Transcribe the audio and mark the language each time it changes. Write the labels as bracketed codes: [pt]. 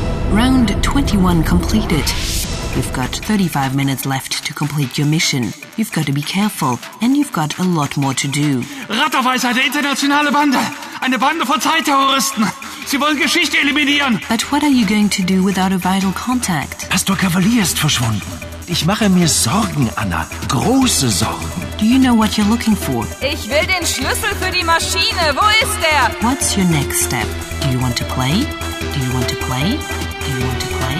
[en] Round 21 completed. You've got 35 minutes left to complete your mission. You've got to be careful, and you've got a lot more to do. [de] Ratava ist eine internationale Bande. Eine Bande von Zeitterroristen. Sie wollen Geschichte eliminieren. [en] But what are you going to do without a vital contact? [de] Pastor Cavalier ist verschwunden. Ich mache mir Sorgen, Anna. Große Sorgen. [en] Do you know what you're looking for? [de] Ich will den Schlüssel für die Maschine. Wo ist der? [en] What's your next step? Do you want to play? Do you want to play? Do you want to play?